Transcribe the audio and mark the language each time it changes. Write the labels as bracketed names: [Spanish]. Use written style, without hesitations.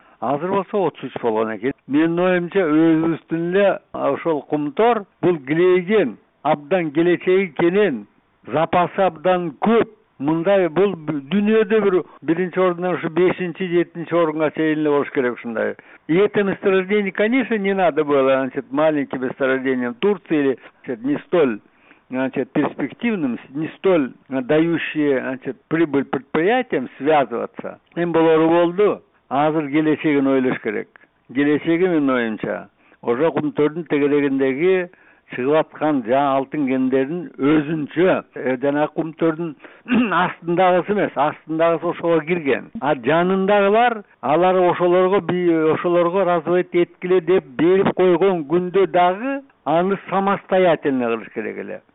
[Kyrgyz] Азыр болсо 33 болгон экен. Менин оюмча өзүбүздүн эле ошол кумтор бул кирейген абдан келечеги кенен, запасы абдан көп. Мындай бул дүйнөдө биринчи ордунан ушу 5-7 орунга чейин эле болуш керек ушундай. [Russian] И этим месторождением, конечно, не надо было, значит, маленьким месторождением Турции или, значит, не столь, значит, перспективным, не столь дающие, значит, прибыль предприятиям связываться. [Kyrgyz] Им было болду, азыр келечегин ойлош керек. Келечеги менин оюмча ошо кумтордун тегерегиндеги чыгып аткан жаңы алтын кендердин өзүнчө жанагы кумтордун астындагысы эмес, астындагысы ошого кирген. А жанындагылар алар ошолорго развод эткиле деп берип койгон күндө дагы аны [Russian] самостоятельно [Kyrgyz] кылыш керек эле.